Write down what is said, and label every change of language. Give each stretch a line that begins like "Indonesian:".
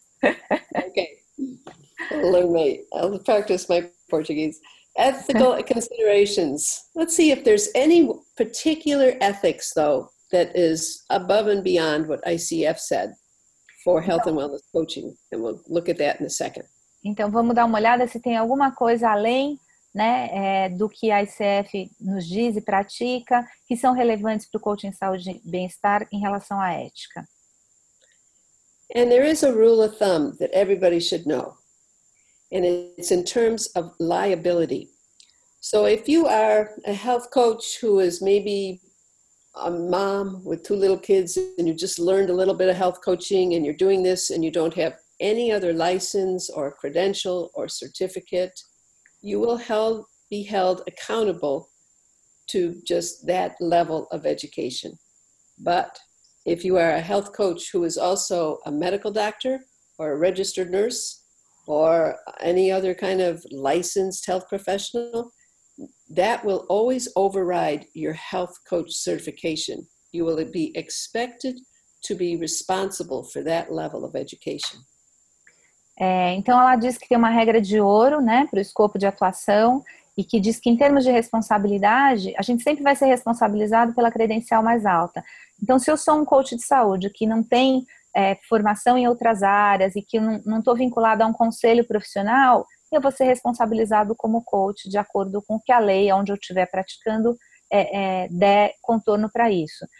English: Okay. I'll practice my Portuguese. Ethical considerations. Let's see if there's any particular ethics though that is above and beyond what ICF said for health and wellness coaching, and we'll look at that in a second.
Portuguese: Então, vamos dar uma olhada se tem alguma coisa além, né, do que a ICF nos diz e pratica, que são relevantes para o coaching saúde e bem-estar em relação à ética.
English: And there is a rule of thumb that everybody should know. And it's in terms of liability. So if you are a health coach who is maybe a mom with two little kids and you just learned a little bit of health coaching and you're doing this and you don't have any other license or credential or certificate, you will be held accountable to just that level of education. But if you are a health coach who is also a medical doctor or a registered nurse or any other kind of licensed health professional, that will always override your health coach certification. You will be expected to be responsible for that level of education.
Portuguese: Então, ela diz que tem uma regra de ouro, né, para o escopo de atuação e que diz que, em termos de responsabilidade, a gente sempre vai ser responsabilizado pela credencial mais alta. Então, se eu sou um coach de saúde que não tem formação em outras áreas e que não estou vinculado a um conselho profissional, eu vou ser responsabilizado como coach de acordo com que a lei, onde eu estiver praticando, der contorno para isso.